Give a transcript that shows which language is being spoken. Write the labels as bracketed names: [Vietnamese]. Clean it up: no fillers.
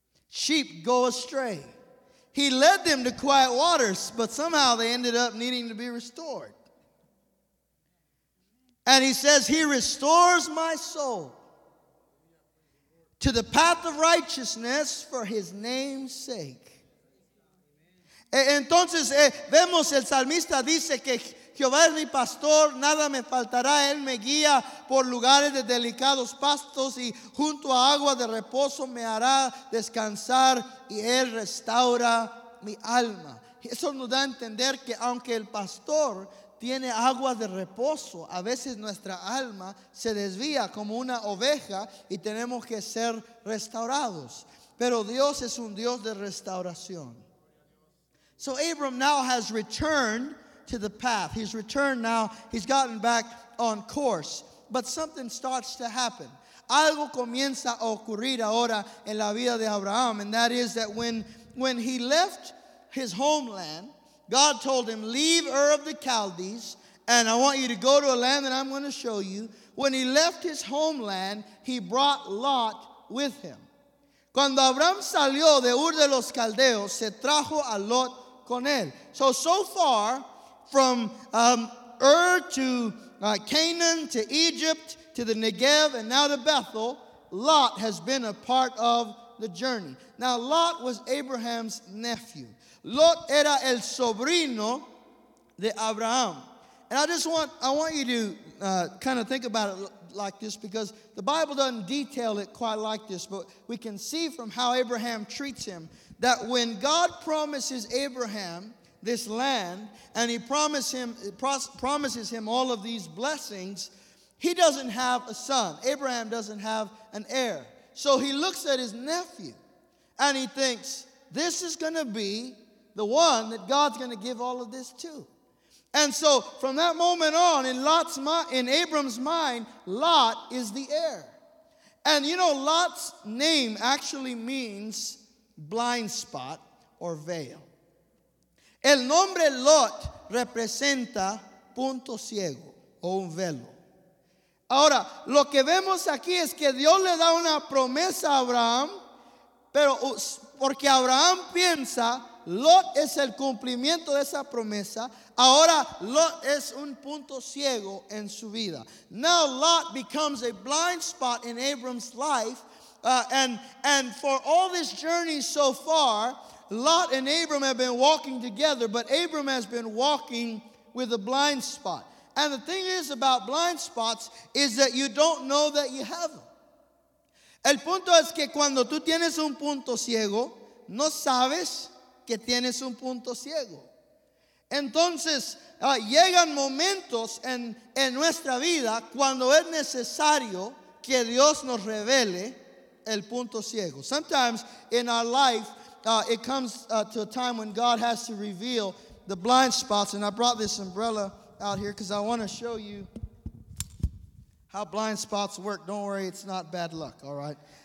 [English] Sheep go astray. He led them to quiet waters, but somehow they ended up needing to be restored. And he says, "He restores my soul to the path of righteousness for his name's sake." [Spanish] Entonces, vemos el salmista dice que Jehová es mi pastor, nada me faltará, él me guía por lugares de delicados pastos y junto a agua de reposo me hará descansar y él restaura mi alma. Eso nos da a entender que aunque el pastor tiene agua de reposo, a veces nuestra alma se desvía como una oveja y tenemos que ser restaurados. Pero Dios es un Dios de restauración. [English] So Abram now has returned to the path. He's returned now. He's gotten back on course. But something starts to happen. [Spanish] Algo comienza a ocurrir ahora en la vida de Abraham. [English] And that is that when he left his homeland, God told him, "Leave Ur of the Chaldees, and I want you to go to a land that I'm going to show you." When he left his homeland, he brought Lot with him. [Spanish] Cuando Abraham salió de Ur de los Caldeos, se trajo a Lot con él. [English] So far, from Ur to Canaan to Egypt to the Negev and now to Bethel, Lot has been a part of the journey. [Spanish] Now, Lot was Abraham's nephew. Lot era el sobrino de Abraham. [English] And I want you to kind of think about it like this, because the Bible doesn't detail it quite like this, but we can see from how Abraham treats him that when God promises Abraham this land, and he promises him all of these blessings, he doesn't have a son. Abraham doesn't have an heir. So he looks at his nephew, and he thinks, this is going to be the one that God's going to give all of this to. And so from that moment on, in Abram's mind, Lot is the heir. And you know, Lot's name actually means blind spot or veil. [Spanish] El nombre Lot representa punto ciego o un velo. Ahora, lo que vemos aquí es que Dios le da una promesa a Abraham, pero porque Abraham piensa, Lot es el cumplimiento de esa promesa. Ahora, Lot es un punto ciego en su vida. [English] Now, Lot becomes a blind spot in Abram's life. And for all this journey so far, Lot and Abram have been walking together, but Abram has been walking with a blind spot. And the thing is about blind spots is that you don't know that you have them. [Spanish] El punto es que cuando tú tienes un punto ciego, no sabes que tienes un punto ciego. Entonces, llegan momentos en nuestra vida cuando es necesario que Dios nos revele el punto ciego. [English] Sometimes in our life, it comes to a time when God has to reveal the blind spots. And I brought this umbrella out here because I want to show you how blind spots work. Don't worry, it's not bad luck, all right?